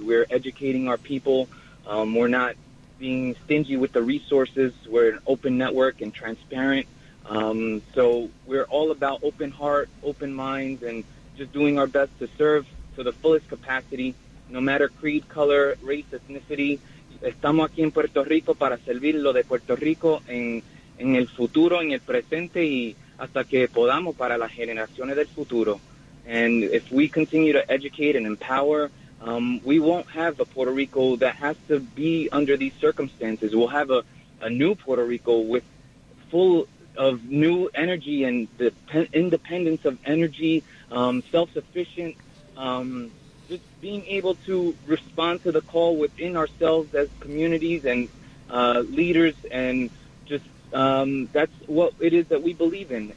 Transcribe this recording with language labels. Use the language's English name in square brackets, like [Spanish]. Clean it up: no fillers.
[English] We're educating our people. We're not being stingy with the resources. We're an open network and transparent. So we're all about open heart, open minds, and just doing our best to serve to the fullest capacity, no matter creed, color, race, ethnicity. [Spanish] Estamos aquí en Puerto Rico para servir lo de Puerto Rico en el futuro, en el presente, y hasta que podamos para las generaciones del futuro. [English] And if we continue to educate and empower, we won't have a Puerto Rico that has to be under these circumstances. We'll have a new Puerto Rico with full of new energy and the independence of energy, self-sufficient, just being able to respond to the call within ourselves as communities and leaders, and just that's what it is that we believe in.